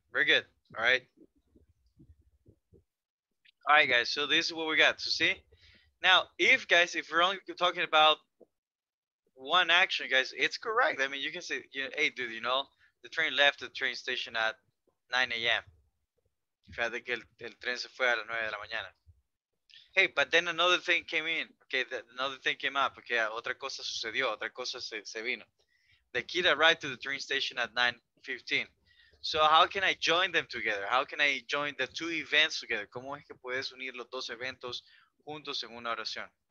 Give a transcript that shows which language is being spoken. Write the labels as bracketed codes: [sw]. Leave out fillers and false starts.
[en] Very good, all right, guys, so this is what we got. So see, Now, if guys, if we're only talking about one action, guys, it's correct. I mean, you can say, you know, hey, dude, you know, the train left the train station at 9 a.m. [es] Fíjate que el tren se fue a las 9 de la mañana. [en] Hey, but then another thing came in. Okay, another thing came up. [es] Okay, otra cosa sucedió, otra cosa se vino. [en] The kid arrived to the train station at 9:15. So how can I join them together? How can I join the two events together? [es] ¿Cómo es que puedes unir los dos eventos juntos en una oración?